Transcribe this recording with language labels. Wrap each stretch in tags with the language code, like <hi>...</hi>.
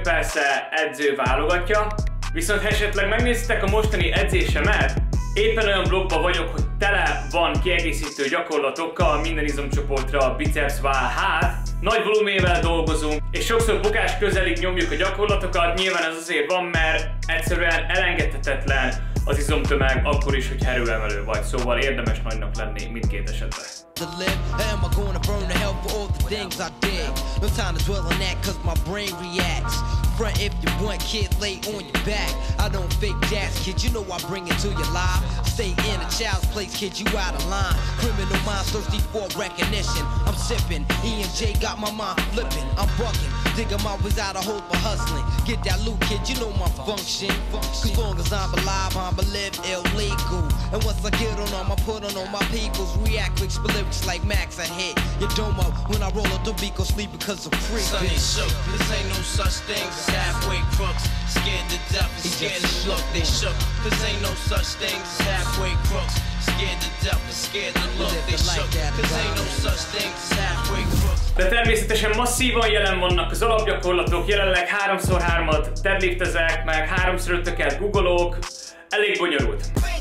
<hu>Persze edző válogatja. Viszont ha esetleg megnéztetek a mostani edzésemet, éppen olyan blokkban vagyok, hogy tele van kiegészítő gyakorlatokkal, minden izomcsoportra, biceps, váll, hát. Nagy volumével dolgozunk, és sokszor bukás közelig nyomjuk a gyakorlatokat, nyilván ez azért van, mert egyszerűen elengedhetetlen az izomtömeg akkor is, hogy erőemelő vagy, szóval érdemes nagynak lenni mindkét esetben.</hu> <en>To live, am I gonna burn to hell for all the things I did? No time to dwell on that, cause my brain reacts. Front if you want, kid, lay on your back. I don't fake that, kid, you know I bring it to your life. Stay in a child's place, kid, you out of line. Criminal minds thirsty for recognition. I'm sipping, E and J got my mind flipping. I'm bucking, digging my ways out of hope for hustling. Get that loot, kid, you know my function. Cause long as I'm alive, I'ma live illegal. And once I get on, I'ma put on all my peoples. React quick, split. Lyrics like Max, I hit your domo when I roll up the beat, go sleep because I'm creepy. Sonny shook, this ain't no such thing as halfway crooks. Scared to death and scared to look, they shook. This ain't no such thing as halfway crooks. Scared to death and scared to look, they shook. This ain't no such thing as halfway crooks.</en> <hu>De természetesen masszívan jelen vannak az alapgyakorlatok. Jelenleg 3x3-at deadliftezek, meg 3x5-öket googolok. Elég bonyolult.</hu>